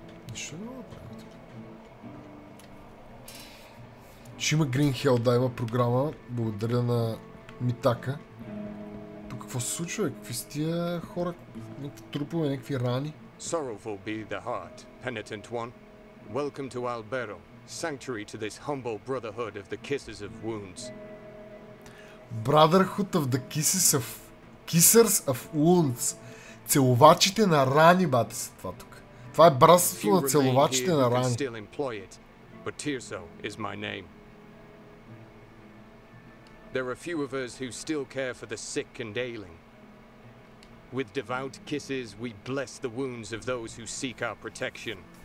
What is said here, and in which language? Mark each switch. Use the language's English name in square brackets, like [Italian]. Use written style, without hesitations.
[Bulgarian] Нещо не мога да правим тук. Ще има Green Hell, да, има програма. Благодаря на Митака. Тук какво се случва? Какви са тия хора? Някакви трупове, някакви рани. [English] Sorrowful be the heart, penitent one. Welcome to Albero, sanctuary to this humble brotherhood of the kisses of wounds. Brotherhood of the kisses of... Kissers of wounds. [Bulgarian] Целувачите на рани, бате се това тук. Това е братството на целувачите на рани. [English] Still employ it, but Tirso is my name. There are few of us who still care for the sick and ailing. With devout kisses, we bless the wounds of those who seek our protection.